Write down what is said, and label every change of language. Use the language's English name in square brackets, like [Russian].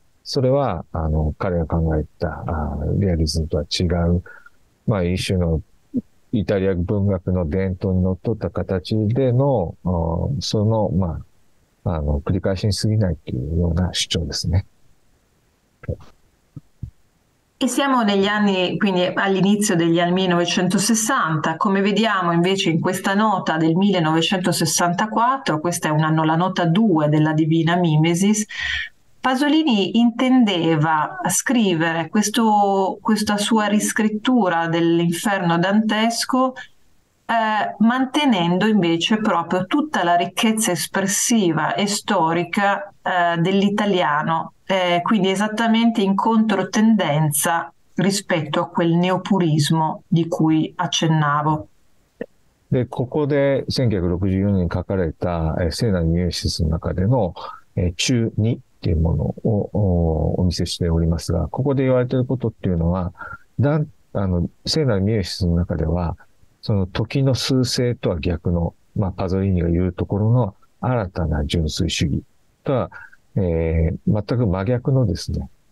[Japanese] それは、彼が考えた、リアリズムとは違う、一種の、イタリア文学の伝統にのっとった形での、その、繰り返しに過ぎないというような主張ですね。 [Italian] E siamo negli anni, quindi all'inizio degli anni 1960, come vediamo invece in questa nota del 1964, questa è la nota 2 della Divina Mimesis. Pasolini intendeva scrivere questa sua riscrittura dell'Inferno dantesco, mantenendo invece proprio tutta la ricchezza espressiva e storica, dell'italiano. Quindi esattamente in controtendenza rispetto a quel neopurismo di cui accennavo. [Japanese] で、ここで1964年に書かれた、聖なるミメシスの中での、中二っていうものをお見せしておりますが、ここで言われていることっていうのは、聖なるミメシスの中では、その時の趨勢とは逆の、パゾリーニが言うところの新たな純粋主義とは、全く真逆のですね、